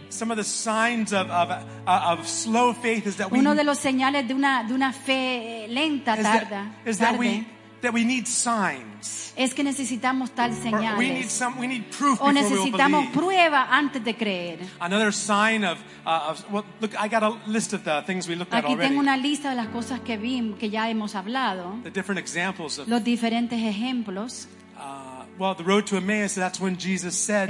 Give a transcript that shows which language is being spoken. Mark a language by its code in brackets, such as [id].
[en] Some of the signs of slow faith is that we [es] uno de los señales de una fe lenta tarda. [en] Is that we that we need signs. [es] Es que necesitamos tal señal. [en] We need some we need proof [es] o necesitamos [en] before we will [es] prueba antes de creer. [en] Another sign of well, look, I got a list of the things we looked [es] aquí [en] at already. [es] Aquí tengo una lista de las cosas que vimos que ya hemos hablado. [en] The different examples of [es] los diferentes ejemplos. [en] well, the road to Emmaus, that's when Jesus said,